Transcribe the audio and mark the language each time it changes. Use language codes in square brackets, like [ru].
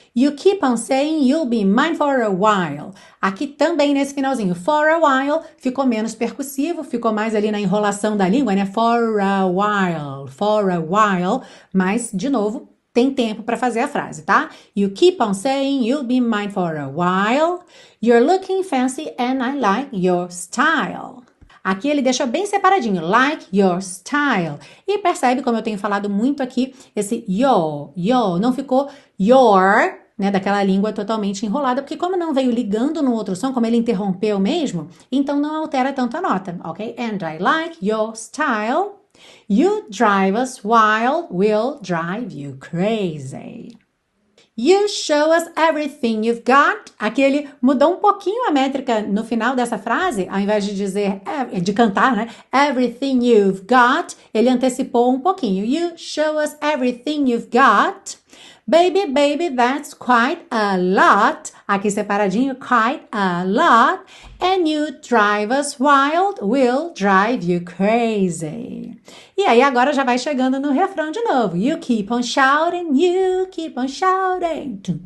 [en] You keep on saying you'll be mine for a while. [pt] Aqui também nesse finalzinho, [en] for a while, [pt] ficou menos percussivo, ficou mais ali na enrolação da língua, né? [en] For a while. [pt] Mas, de novo, tem tempo para fazer a frase, tá? [en] You keep on saying you'll be mine for a while. You're looking fancy and I like your style. [pt] Aqui ele deixa bem separadinho, [en] like your style. [pt] E percebe como eu tenho falado muito aqui, esse your, não ficou your, né, daquela língua totalmente enrolada, porque como não veio ligando no outro som, como ele interrompeu mesmo, então não altera tanto a nota, ok? [en] And I like your style. You drive us wild, we'll drive you crazy. You show us everything you've got. [pt] Aqui ele mudou um pouquinho a métrica no final dessa frase, ao invés de dizer, de cantar, né? [en] Everything you've got. [pt] Ele antecipou um pouquinho. [en] You show us everything you've got. Baby, baby, that's quite a lot. [pt] Aqui separadinho, [en] quite a lot. And you drive us wild, we'll drive you crazy. [pt] E aí agora já vai chegando no refrão de novo. [en] You keep on shouting, you keep on shouting.